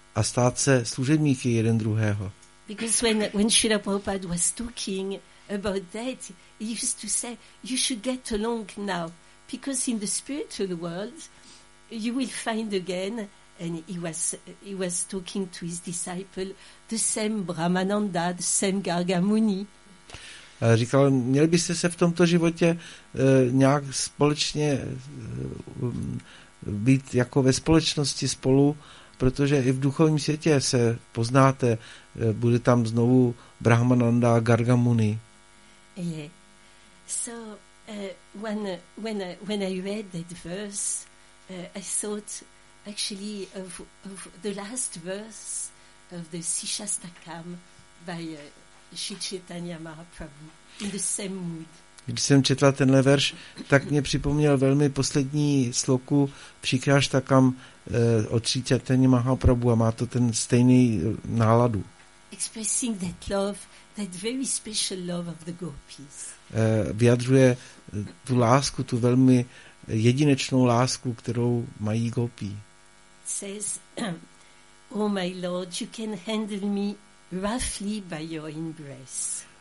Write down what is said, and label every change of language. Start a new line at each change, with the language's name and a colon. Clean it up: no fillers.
Czech: A stát se služebníky jeden druhého.
English: Because when Srila Prabhupada was talking about that, he used to say, you should get along now, because in the spiritual world, you will find again, and he was talking to his disciple, the same Brahmananda, the same Gargamuni.
Czech: Říkal, měli byste se v tomto životě nějak společně být jako ve společnosti spolu, protože i v duchovním světě se poznáte, bude tam znovu Brahmananda a Gargamuni.
English: Yeah. So when I read that verse, I thought actually of the last verse of the Sishastakam by Sri Chaitanya Mahaprabhu. In the same mood.
Czech: Když jsem četla tenhle verš, tak mě připomněl velmi poslední sloku Přikráštakam od Sri Chaitanya Mahaprabhu a má to ten stejný náladu.
English: Expressing that love, that very special love of the gopis.
Czech: Vyjadřuje tu lásku, tu velmi jedinečnou lásku, kterou mají gopi.
English: Says, Oh my Lord, you can handle me roughly by your embrace.